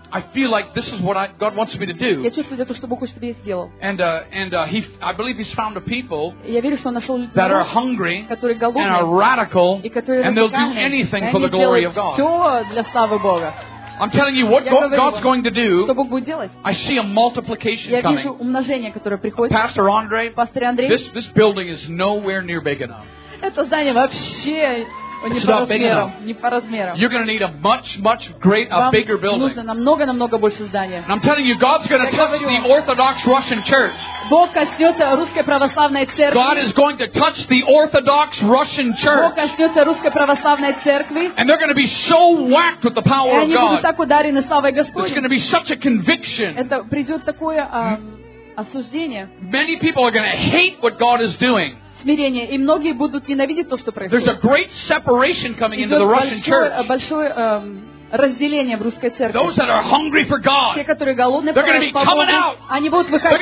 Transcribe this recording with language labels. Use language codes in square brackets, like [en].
[en] I feel like this is what God wants me to do. [ru] Я чувствую это, что Бог хочет, чтобы я сделал. [en] And I believe He's found a people. [ru] Я верю, что Он нашел людей. [en] That are hungry. [ru] Которые голодны. [en] And are radical. [ru] И которые [en] And they'll do anything for the glory of God. [ru] Они делают все для славы Бога. [en] I'm telling you what God's going to do. [ru] Что Бог будет делать? [en] I see a multiplication coming. [ru] Я вижу умножение, которое приходит. [en] Pastor Andre. [ru] Пастор Андрей. [en] This building is nowhere near big enough. [ru] Это здание вообще. [en] You're going to need a much, much greater, a bigger building. [ru] Вам нужно намного, намного больше здания. [en] And I'm telling you, God's going to touch the Orthodox Russian Church. [ru] Бог коснется русской православной церкви. [en] God is going to touch the Orthodox Russian Church. [ru] Бог коснется русской православной церкви. [en] And they're going to be so whacked with the power of God. [ru] И они будут так ударены славой Господней. [en] There's going to be such a conviction. [ru] Это придет такое осуждение. [en] Many people are going to hate what God is doing. [ru] Смирение. И многие будут ненавидеть то, что происходит. Идет большое разделение в русской церкви. [en] God, [ru] те, которые голодны по Богу, они будут выходить.